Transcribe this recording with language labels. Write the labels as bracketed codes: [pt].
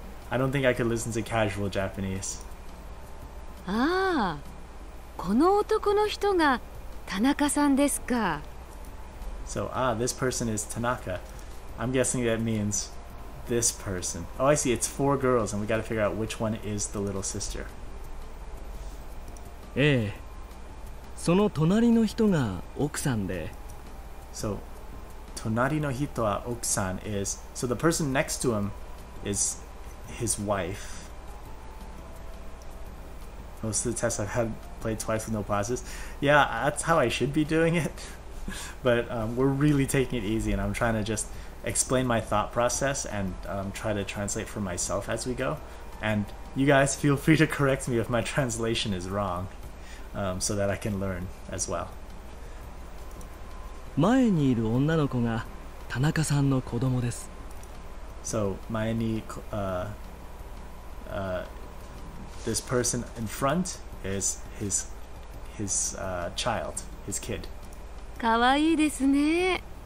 [en] I don't think I could listen to casual Japanese. [ja] ああ、この男の人が田中さんですか? [en] So, this person is Tanaka. I'm guessing that means... This person. Oh, I see. It's four girls, and we got to figure out which one is the little sister. [ja] ええ、その隣の人が奥さんで。 So, 隣の人は奥さん is. [en] So the person next to him is his wife. Most of the tests I've had played twice with no pauses. Yeah, that's how I should be doing it. But we're really taking it easy, and I'm trying to just explain my thought process and try to translate for myself as we go. And you guys feel free to correct me if my translation is wrong, so that I can learn as well. [ja] 前にいる女の子が田中さんの子供です。 [en] So, [ja] 前に、 [en] this person in front is his child, his kid. [ja] かわいいですね。